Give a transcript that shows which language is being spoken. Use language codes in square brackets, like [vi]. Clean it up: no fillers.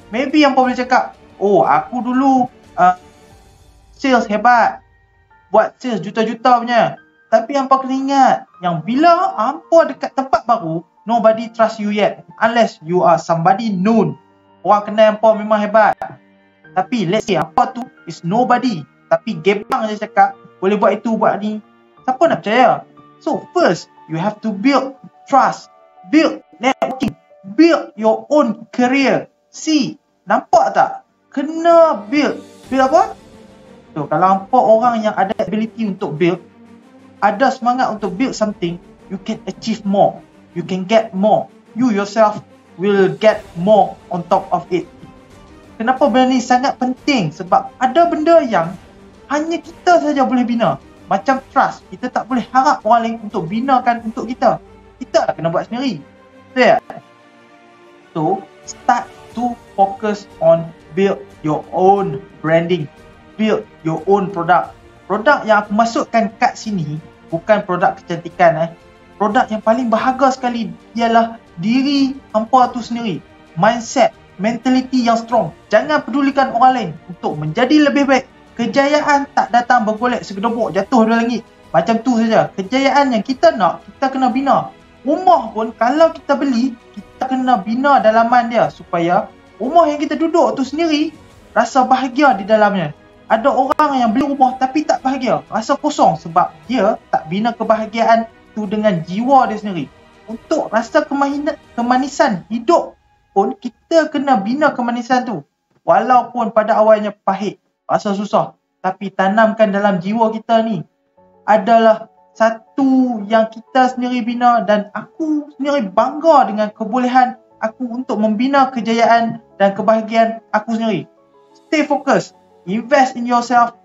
[ms] Maybe hampa boleh cakap, oh aku dulu sales hebat, buat sales juta-juta punya. Tapi hampa kena ingat yang bila hampa dekat tempat baru, [en] nobody trust you yet unless you are somebody known. [ms] Orang kenal hampa memang hebat. Tapi [en] let's say [ms] hampa tu is nobody. Tapi gebang je cakap, boleh buat itu, buat ni. Siapa nak percaya? [en] So first, you have to build trust. Build networking. Build your own career. [ms] See, nampak tak? Kena build. Build apa? [en] So [ms] kalau hampa orang yang ada [en] ability untuk build, [ms] ada semangat untuk [en] build something, you can achieve more. You can get more. You yourself will get more on top of it. [ms] Kenapa benda ni sangat penting? Sebab ada benda yang hanya kita saja boleh bina. Macam trust. Kita tak boleh harap orang lain untuk binakan untuk kita. Kita lah kena buat sendiri. Yeah. [en] So, start to focus on build your own branding. Build your own product. [ms] Produk yang aku masukkan kat sini bukan produk kecantikan. Produk yang paling berharga sekali ialah diri hampa tu sendiri. [en] Mindset, mentality yang strong. [ms] Jangan pedulikan orang lain untuk menjadi lebih baik. Kejayaan tak datang bergolek segedebuk jatuh dari langit. Macam tu saja. Kejayaan yang kita nak, kita kena bina. Rumah pun kalau kita beli, kita kena bina dalaman dia supaya rumah yang kita duduk tu sendiri rasa bahagia di dalamnya. Ada orang yang beli rumah tapi tak bahagia, rasa kosong sebab dia tak bina kebahagiaan tu dengan jiwa dia sendiri. Untuk rasa kemanisan hidup pun kita kena bina kemanisan tu. Walaupun pada awalnya pahit, rasa susah, tapi tanamkan dalam jiwa kita ni adalah satu yang kita sendiri bina. Dan aku sendiri bangga dengan kebolehan aku untuk membina kejayaan dan kebahagiaan aku sendiri. [en] Stay focused, invest in yourself.